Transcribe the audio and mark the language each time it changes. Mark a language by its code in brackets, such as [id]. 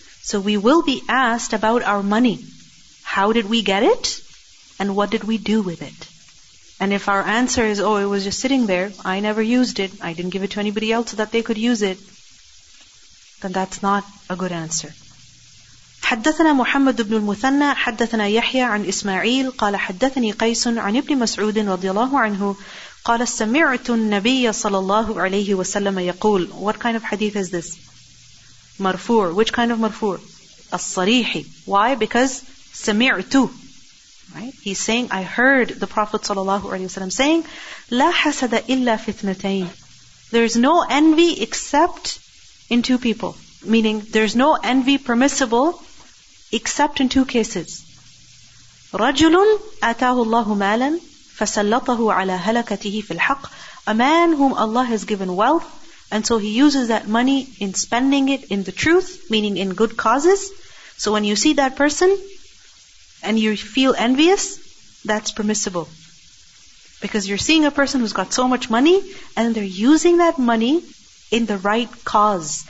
[en] So we will be asked about our money. How did we get it? And what did we do with it? And if our answer is, oh, it was just sitting there, I never used it, I didn't give it to anybody else so that they could use it, then that's not a good answer. [ar] حدثنا محمد بن المثنى حدثنا يحيى عن إسماعيل قال حدثني قيس عن ابن مسعود رضي الله عنه قال سمعت النبي صلى الله عليه وسلم يقول. [en] What kind of hadith is this? مرفوع. Which kind of مرفوع? الصريحي. Why? Because سمعت. Right? He's saying, I heard the Prophet صلى الله عليه وسلم saying, [ar] لا حسد إلا في اثنتين. [en] There is no envy except in two people. Meaning, there is no envy permissible except in two cases. [ar] رجل آتاه الله مالا فسلطه على هلكته في الحق. [en] A man whom Allah has given wealth, and so he uses that money in spending it in the truth, meaning in good causes. So when you see that person and you feel envious, that's permissible. Because you're seeing a person who's got so much money and they're using that money in the right cause.